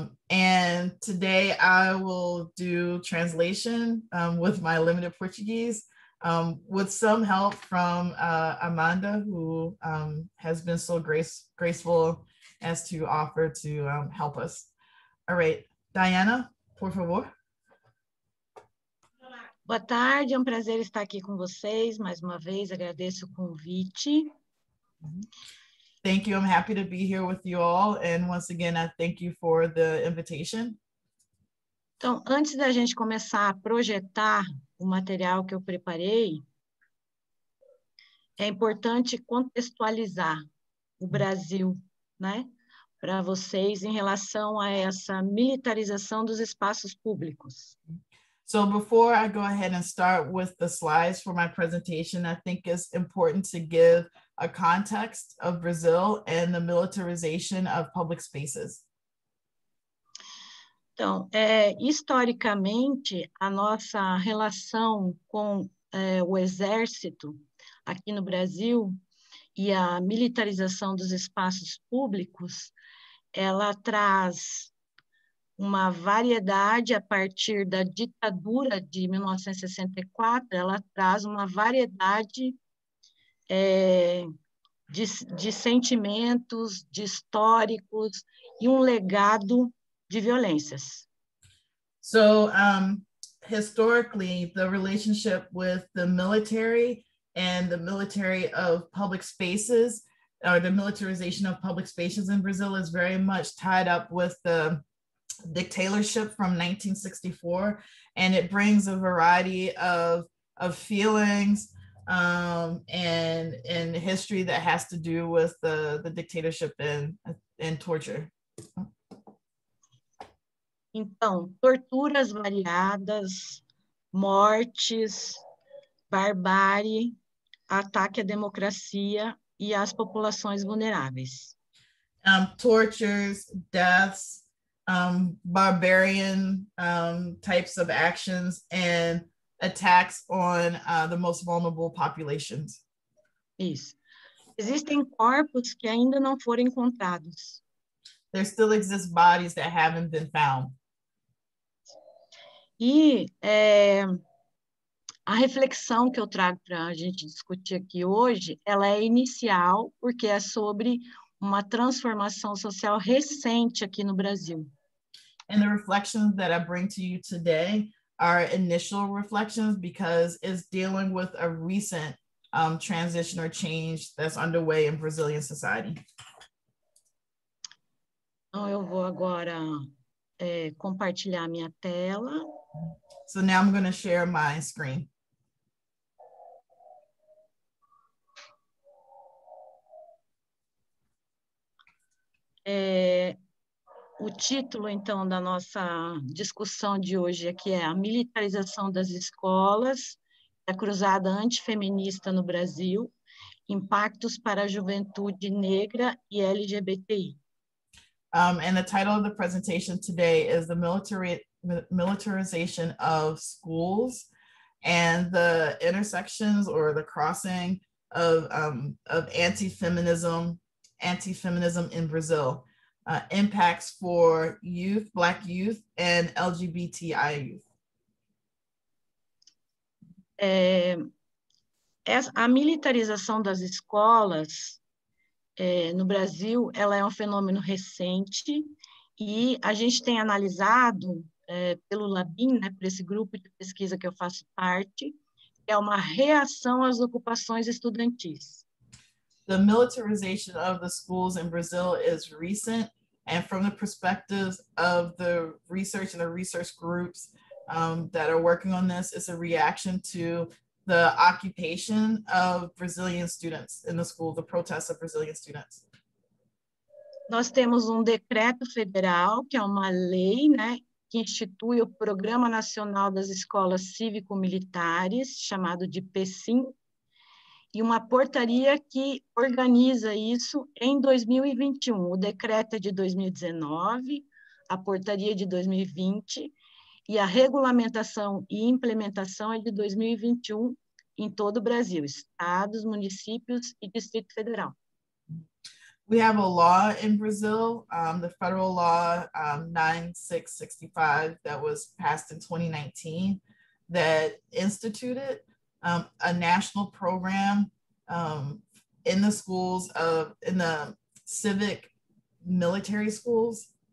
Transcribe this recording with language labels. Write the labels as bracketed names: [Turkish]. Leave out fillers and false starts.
[English] And today I will do translation with my limited Portuguese with some help from Amanda, who has been so graceful as to offer to help us. All right, Dayana, [Portuguese] por favor. Boa tarde, é um prazer estar aqui com vocês. Mais uma vez, agradeço o convite. [English] Thank you. I'm happy to be here with you all. And once again, I thank you for the invitation. [Portuguese] Então, antes da gente começar a projetar o material que eu preparei, é importante contextualizar o Brasil, né, para vocês em relação a essa militarização dos espaços públicos. [English] So before I go ahead and start with the slides for my presentation, I think it's important to give a context of Brazil and the militarization of public spaces. [Portuguese] Então, historicamente, a nossa relação com o exército aqui no Brasil e a militarização dos espaços públicos, ela traz uma variedade a partir da ditadura de 1964, ela traz uma variedade de sentimentos, de históricos e legado de violências. [English] So, historically, the relationship with the military and the military of public spaces, or the militarization of public spaces in Brazil, is very much tied up with the dictatorship from 1964, and it brings a variety of feelings and history that has to do with the dictatorship and torture. [Portuguese] Então, torturas variadas, mortes, barbárie, ataque à democracia e às populações vulneráveis. [English] Tortures, deaths, barbarian types of actions and attacks on the most vulnerable populations. [Portuguese] Isso. Existem corpos que ainda não foram encontrados. [English] There still exist bodies that haven't been found. [Portuguese] E a reflexão que eu trago para a gente discutir aqui hoje, ela é inicial porque é sobre uma transformação social recente aqui no Brasil. [English] And the reflections that I bring to you today are initial reflections because it's dealing with a recent transition or change that's underway in Brazilian society. [Portuguese] Então, eu vou agora compartilhar minha tela. [English] So now I'm going to share my screen. [Portuguese] O título, então, da nossa discussão de hoje aqui é a militarização das escolas, a cruzada antifeminista no Brasil, impactos para a juventude negra e LGBTI. [English] And the title of the presentation today is the militarization of schools and the intersections or the crossing of anti-feminism in Brazil. Impacts for youth, Black youth, and LGBTI youth. [Portuguese] A militarização das escolas no Brasil, ela é fenômeno recente, e a gente tem analisado pelo Labin, né, por esse grupo de pesquisa que eu faço parte, que é uma reação às ocupações estudantis. [English] The militarization of the schools in Brazil is recent, and from the perspectives of the research and the research groups that are working on this, it's a reaction to the occupation of Brazilian students in the school, the protests of Brazilian students. [Portuguese] Nós temos decreto federal, que é uma lei, né, que institui o Programa Nacional das Escolas Cívico-Militares, chamado de PECIM, e uma portaria que organiza isso em 2021. O decreto é de 2019, a portaria de 2020, e a regulamentação e implementação é de 2021 em todo o Brasil, estados, municípios e Distrito Federal. [English] We have a law in Brazil, the federal law 9665 that was passed in 2019 that instituted a national program in the schools of, in the civic military schools.